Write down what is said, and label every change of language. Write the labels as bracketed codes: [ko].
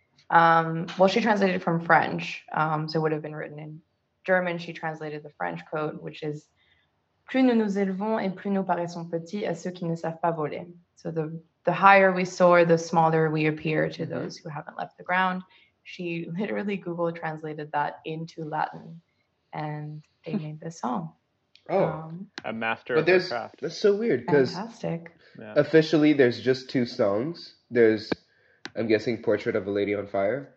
[en] Well, she translated from French, so it would have been written in German. She translated the French quote, which is [fr] "Plus nous nous élevons et plus nous paraissons petits à ceux qui ne savent pas voler." [en] So the higher we soar, the smaller we appear to those who haven't left the ground. She literally Google translated that into Latin, and they made this song. Oh, a master of the craft. That's so weird. Fantastic. Officially, there's just two songs. There's, I'm guessing, "Portrait of a Lady on Fire."